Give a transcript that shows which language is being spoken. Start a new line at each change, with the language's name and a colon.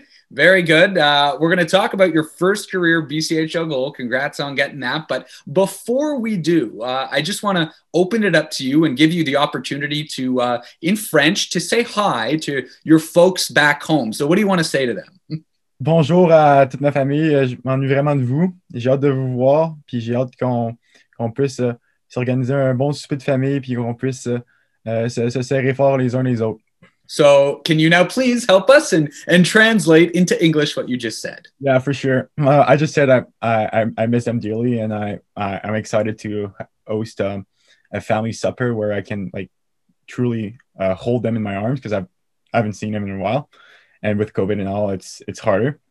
English: Very good. We're going to talk about your first career BCHL goal. Congrats on getting that. But before we do, I just want to open it up to you and give you the opportunity to, in French, to say hi to your folks back home. So what do you want to say to them?
French: Bonjour à toute ma famille. Je m'ennuie vraiment de vous. J'ai hâte de vous voir. Puis j'ai hâte qu'on puisse s'organiser un bon souper de famille puis qu'on puisse se serrer fort les uns les autres.
English: So, can you now please help us and translate into English what you just said? Yeah, for sure. I just said I miss them dearly, and I'm excited to host a family supper where I can like truly hold them in my arms because I haven't seen them in a while, and with COVID and all, it's harder.